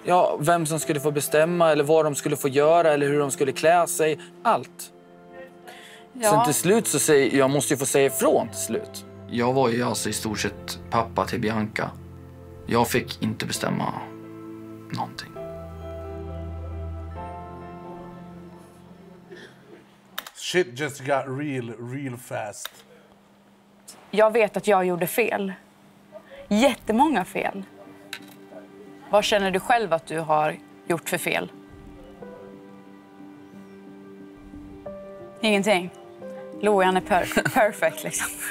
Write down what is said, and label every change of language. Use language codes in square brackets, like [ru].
[sv] Ja, vem som skulle få bestämma, eller vad de skulle få göra, eller hur de skulle klä sig. Allt. Ja. Sen till slut så säger jag, måste ju få säga ifrån till slut. Jag var ju alltså i stort sett pappa till Bianca. Jag fick inte bestämma någonting. [en] Shit just got real, real fast. [sv] Jag vet att jag gjorde fel. Jättemånga fel. Vad känner du själv att du har gjort för fel? Ingenting. Lojan är perfekt liksom.